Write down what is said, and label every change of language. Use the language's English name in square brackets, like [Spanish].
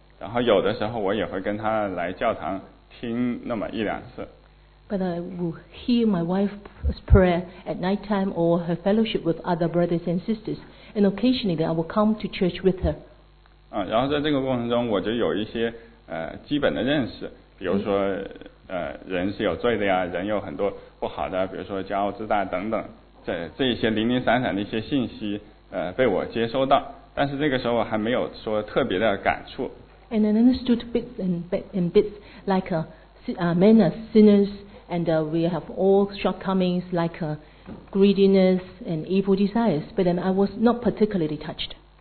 [Chinese] 然后有的时候我也会跟她来教堂听那么一两次。 [English] But I will hear my wife's prayer at night time or her fellowship with other brothers and sisters, and occasionally I will come to church with her. [Chinese] 然后在这个过程中，我就有一些基本的认识。比如说人是有罪的呀，人有很多不好的，比如说骄傲自大等等，这一些零零散散的一些信息被我接收到，但是这个时候我还没有说特别的感触。 [English] And I understood bits and bits like men are sinners and we have all shortcomings like greediness and evil desires, but then I was not particularly touched.